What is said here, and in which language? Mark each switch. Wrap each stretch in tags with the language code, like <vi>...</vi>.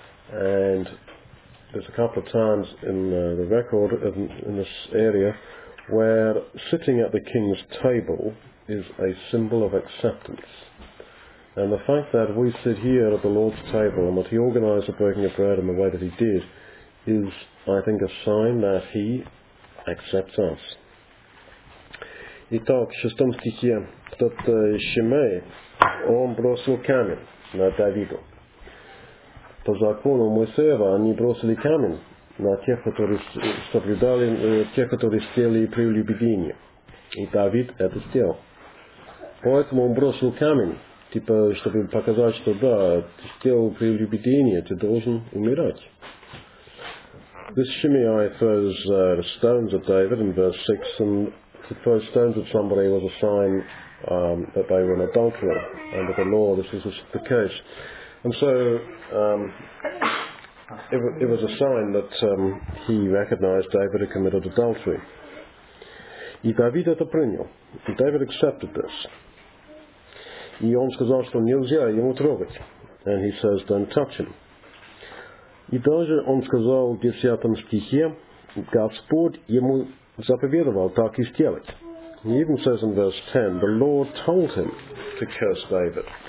<en>And there's a couple of times in the record in this area where sitting at the king's table is a symbol of acceptance. And the fact that we sit here at the Lord's table and that he organized the breaking of bread in the way that he did is, I think, a sign that he accepts us.</en> <ru>Итак, в шестом стихе, тот Шимей, он бросил камень на Давида. По закону Моисеева они бросили камень на тех, которые соблюдали, тех, которые сделали прелюбодеяние. И Давид это сделал. Поэтому он бросил камень. Типа, чтобы показать, что да, ты сделал прелюбодеяние, ты должен умирать.</ru> <en>This Shimei throws stones at David in verse 6, and to throw stones at somebody was a sign that they were an adulterer under the law. This was the case. And so it was a sign that he recognized David had committed adultery.</en> <ru>И Давид это принял. И</ru> <en>David accepted this.</en> <ru>И он сказал, что нельзя ему трогать.</ru> <en>And he says, don't touch him.</en> <ru>И даже он сказал в 10 стихе, Господь ему заповедовал так и сделать.</ru> <en>He even says in verse 10, the Lord told him to curse David.</en>